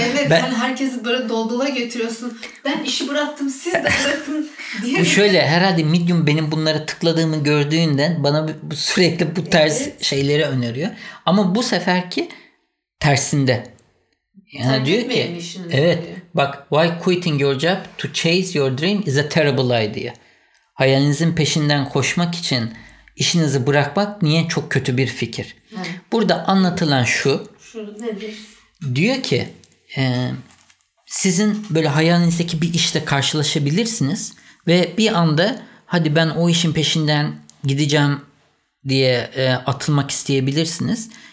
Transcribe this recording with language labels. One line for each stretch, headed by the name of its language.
Turkish: Ben herkesi böyle doldula götürüyorsun. Ben işi bıraktım, siz de bırakın diye. Bu şöyle, herhalde Medium benim bunları tıkladığımı gördüğünden bana sürekli bu tarz şeyleri öneriyor. Ama bu seferki tersinde. Yani sen diyor ki, evet diyor.
English: Bak, why quitting your job to chase your dream is a terrible idea.
Turkish: Hayalinizin peşinden koşmak için İşinizi bırakmak niye çok kötü bir fikir? Hı. Burada anlatılan şu. Şu nedir? Diyor ki sizin böyle hayalinizdeki bir işle karşılaşabilirsiniz ve bir anda hadi ben o işin peşinden gideceğim diye atılmak isteyebilirsiniz.